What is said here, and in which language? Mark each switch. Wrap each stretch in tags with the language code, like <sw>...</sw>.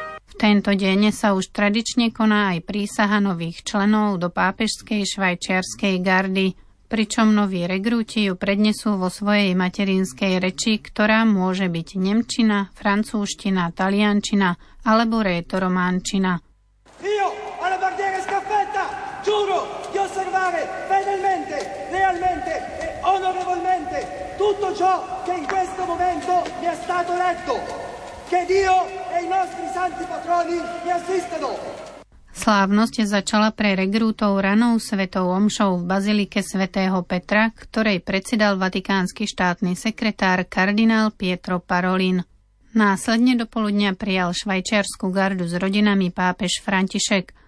<sk>V tento deň sa už tradične koná aj prísaha nových členov do pápežskej švajčiarskej gardy, pričom noví regrúti ju prednesú vo svojej materinskej reči, ktorá môže byť nemčina, francúzština, taliančina alebo rétorománčina.</sk> <it>Io alla bandiera scaffetta giuro di osservare fedelmente, lealmente e onorevolmente tutto ciò che in questo momento mi è stato letto. Che Dio e i nostri santi patroni mi assistano.</it> <sk>Slávnosť začala pre regrútov ranou svätou omšou v bazilike svätého Petra, ktorej predsedal vatikánsky štátny sekretár kardinál Pietro Parolin. Následne do poludnia prijal švajčiarsku gardu s rodinami pápež František.</sk>